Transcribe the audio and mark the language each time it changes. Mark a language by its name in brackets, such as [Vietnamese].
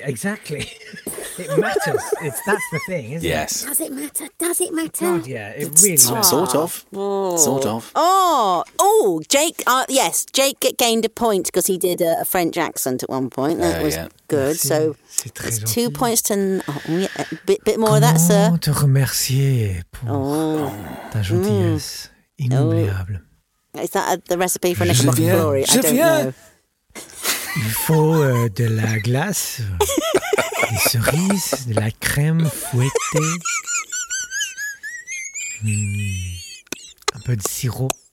[English] Exactly. It matters. That's the thing, isn't it? Yes. Does it matter? God, yeah, it really matters. Sort of. Jake. Jake gained a point because he did a French accent at one point. Good. So, it's 2 points to... bit more [French] Comment [English] of that, sir. [French] Comment te remercier pour ta gentillesse inoubliable. [English] Is that the recipe for an extra bottle of glory? [French] Je [English] I don't [French] viens. [English] Know. [French] Il faut de la glace, des cerises, de la crème fouettée, un peu de sirop.